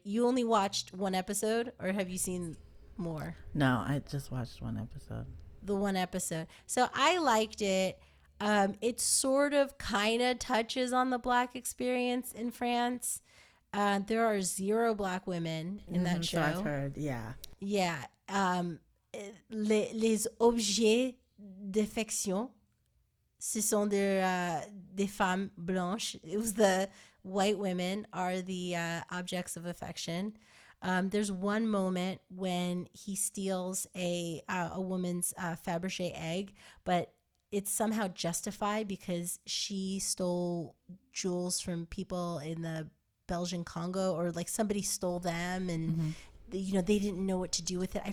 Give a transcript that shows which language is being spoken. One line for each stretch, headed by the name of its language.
English: You only watched one episode, or have you seen more? No, I just watched one episode. The one episode. So I liked it. It sort of kind of touches on the Black experience in France. There are zero Black women in that show. I've heard, yeah. Yeah.
French: Les objets d'affection, ce sont des femmes blanches.
English: It was the white women are the objects of affection. There's one moment when he steals a woman's Fabergé egg, but it's somehow justified because she stole jewels from people in the Belgian Congo, or like somebody stole them and you know they didn't know what to do with it.